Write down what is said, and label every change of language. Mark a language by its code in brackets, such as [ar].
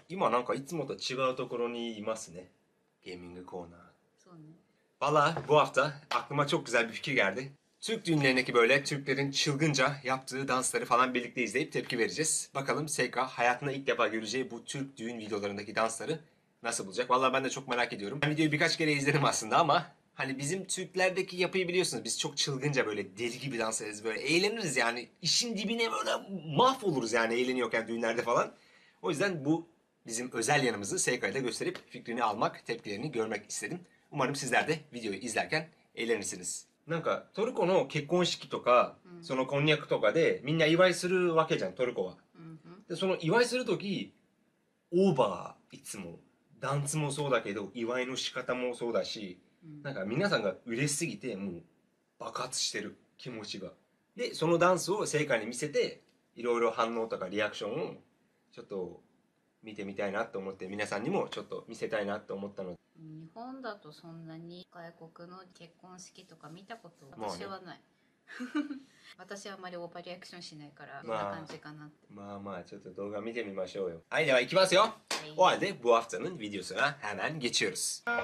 [ja] 今なんかいつもと違うところにいますね。ゲーミングコーナー。そうね。 [tr] Valla bu hafta aklıma çok güzel bir fikir geldi. Türk düğünlerindeki böyle Türklerin çılgınca yaptığı dansları falan birlikte izleyip tepki vereceğiz. Bakalım Seyka hayatında ilk defa göreceği bu Türk düğün videolarındaki dansları nasıl bulacak? Valla ben de çok merak ediyorum. Ben videoyu birkaç kere izledim aslında ama hani bizim Türklerdeki yapıyı biliyorsunuz. Biz çok çılgınca böyle deli gibi dans ederiz. Böyle eğleniriz yani. İşin dibine böyle mahvoluruz yani eğleniyorken düğünlerde falan. O yüzden bu bizim özel yanımızı Seyka'ya da gösterip fikrini almak, tepkilerini görmek istedim. Umarım sizler de videoyu izlerken eğlenirsiniz. [ja] なんかトルコの結婚式とかそのこんにゃくとかでみんな祝いするわけじゃん、トルコは。で、その祝いするとき、オーバー、いつも。ダンスもそうだけど、祝いの仕方もそうだし、なんか皆さんが嬉しすぎて、もう爆発してる気持ちが。で、そのダンスを成果に見せて、いろいろ反応とかリアクションをちょっと見てみたいなと思って、皆さんにもちょっと見せたいなと思ったので。日本だとそんなに外国の結婚式とか見たこと、まあ私ね。はない。私はあまりオーバーリアクションしないからどんな感じかなって。まあ、ちょっと動画見てみましょうよ。はい、では行きますよ。 [tr] お halde bu haftanın videosuna hemen geçiyoruz.